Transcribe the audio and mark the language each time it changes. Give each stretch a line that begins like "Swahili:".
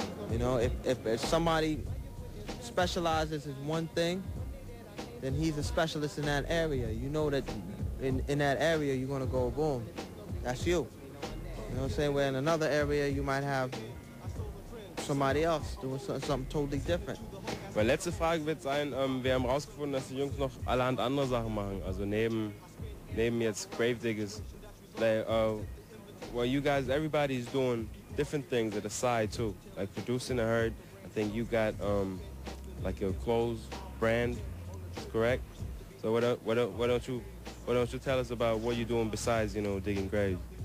English: You know, if somebody specializes in one thing, then he's a specialist in that area. You know that in that area you're gonna go boom. That's you. You know what I'm saying? Where in another area you might have somebody else doing something totally different.
German: Meine letzte Frage wird sein, wir haben herausgefunden, dass die Jungs noch allerhand andere Sachen machen, also neben jetzt Gravediggers.
English: Like, well, you guys, everybody's doing different things at the side too. Like producing, I heard, I think you got like your clothes brand, correct? So why don't you tell us about what you're doing besides, you know, digging graves?